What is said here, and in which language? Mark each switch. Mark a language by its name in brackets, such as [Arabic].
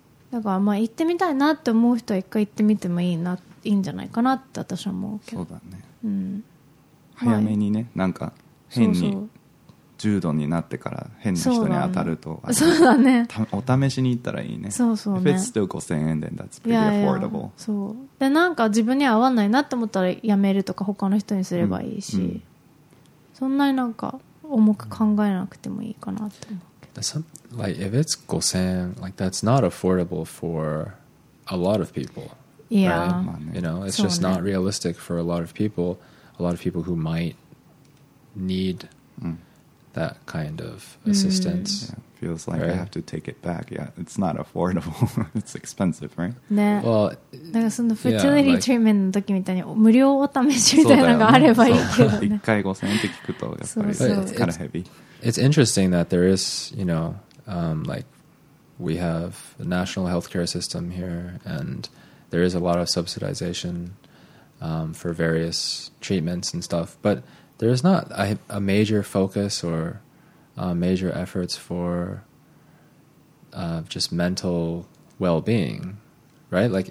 [Japanese] だからまあ行ってみたいなって思う人は一回行ってみてもいいな、いいんじゃないかなって私は思うけどそうだね、うん、早めにね、はい、なんか変に重度になってから変な人に当たるとそうだね、お試しに行ったらいいねそうそうね [English] If it's still 5000円 then that's pretty affordable [Japanese] いやいやそうでなんか自分に合わないなって思ったらやめるとか他の人にすればいいし、うんうん、そんなになんか重く考えなくてもいいかなって思う、うん [English] Like, if it's 5,000, like, that's not affordable for a lot of people. Yeah. Right? You know, it's just not realistic for a lot of people. A lot of people who might need that kind of assistance. Yeah, feels like right? I have to take it back. Yeah, it's not affordable. it's expensive, right? [Japanese] ね。 [English] Well, [Japanese] なんかそのフェチュリティトリートメントの時みたいに無料お試しみたいなのがあればいいけどね。 1回 5,000 って聞くとやっぱりそうそう [English] it's kind of heavy. It's interesting that there is, you know, like we have a national healthcare system here and there is a lot of subsidization for various treatments and stuff, but there's not a major focus or major efforts for just mental well-being, right?